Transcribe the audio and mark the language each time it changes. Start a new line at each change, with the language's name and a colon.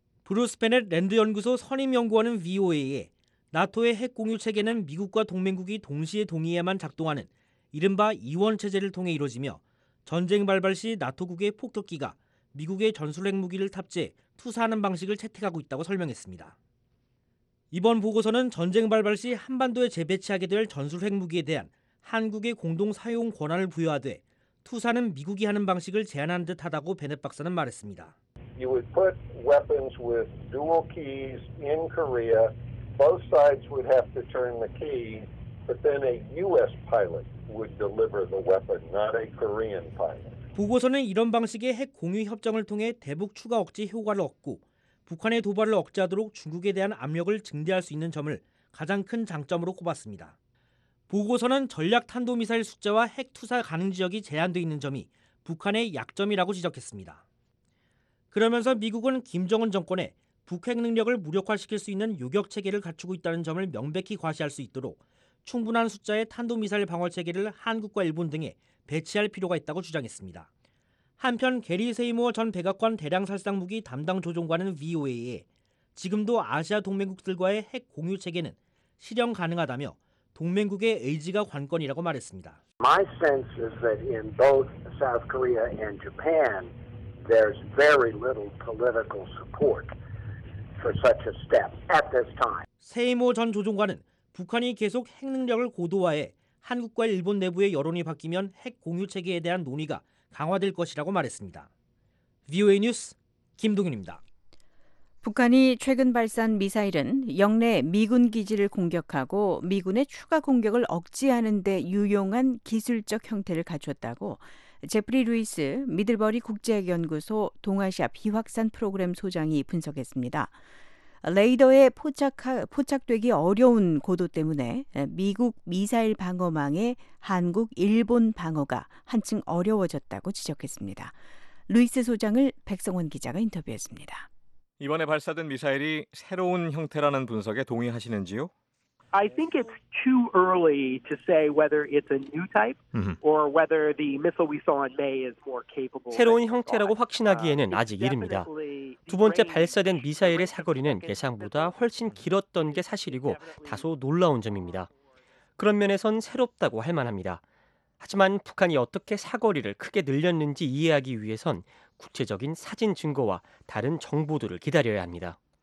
Korean: 브루스 베넷 랜드 연구소 선임 연구원은 VOA에 나토의 핵 공유 체계는 미국과 동맹국이 동시에 동의해야만 작동하는 이른바 이원 체제를 통해 이루어지며 전쟁 발발 시 나토국의 폭격기가 미국의 전술 핵무기를 탑재해 투사하는 방식을 채택하고 있다고 설명했습니다. 이번 보고서는 전쟁 발발 시 한반도에 재배치하게 될 전술 핵무기에 대한 한국의 공동 사용 권한을 부여하되 투사는 미국이 하는 방식을 제안한 듯하다고 베넷 박사는 말했습니다.
English: You would put weapons with dual keys in Korea. Both sides would have to turn the key, but then a U.S. pilot would deliver the weapon, not a Korean pilot.
Korean: 보고서는 이런 방식의 핵 공유 협정을 통해 대북 추가 억제 효과를 얻고 북한의 도발을 억제하도록 중국에 대한 압력을 증대할 수 있는 점을 가장 큰 장점으로 꼽았습니다. 보고서는 전략탄도미사일 숫자와 핵 투사 가능 지역이 제한되어 있는 점이 북한의 약점이라고 지적했습니다. 그러면서 미국은 김정은 정권에 북핵 능력을 무력화시킬 수 있는 요격 체계를 갖추고 있다는 점을 명백히 과시할 수 있도록 충분한 숫자의 탄도미사일 방어 체계를 한국과 일본 등에 배치할 필요가 있다고 주장했습니다. 한편 게리 세이모어 전 백악관 대량살상무기 담당 조종관은 VOA에 지금도 아시아 동맹국들과의 핵 공유 체계는 실현 가능하다며 동맹국의 의지가 관건이라고 말했습니다.
English: My sense is that in both South Korea and Japan, there's very little political support for such a step at this time.
Korean: 세이모어 전 조종관은 북한이 계속 핵 능력을 고도화해 한국과 일본 내부의 여론이 바뀌면 핵 공유 체계에 대한 논의가 강화될 것이라고 말했습니다. VOA 뉴스 김동윤입니다. 북한이 최근 발사한 미사일은 영내 미군 기지를 공격하고 미군의 추가 공격을 억제하는 데 유용한 기술적 형태를 갖췄다고 제프리 루이스 미들버리 국제연구소 동아시아 비확산 프로그램 소장이 분석했습니다. 레이더에 포착되기 어려운 고도 때문에 미국 미사일 방어망에 한국, 일본 방어가 한층 어려워졌다고 지적했습니다. 루이스 소장을 백성원 기자가 인터뷰했습니다. 이번에 발사된 미사일이 새로운 형태라는 분석에 동의하시는지요?
English: I think it's too early to say whether it's a new type or whether the missile we saw in May is more capable.
Korean: 새로운 형태라고 확신하기에는 아직 이릅니다. 두 번째 발사된 미사일의 사거리는 예상보다 훨씬 길었던 게 사실이고 다소 놀라운 점입니다. 그런 면에선 새롭다고 할 만합니다. 하지만 북한이 어떻게 사거리를 크게 늘렸는지 이해하기 위해선 구체적인 사진 증거와 다른 정보들을 기다려야 합니다.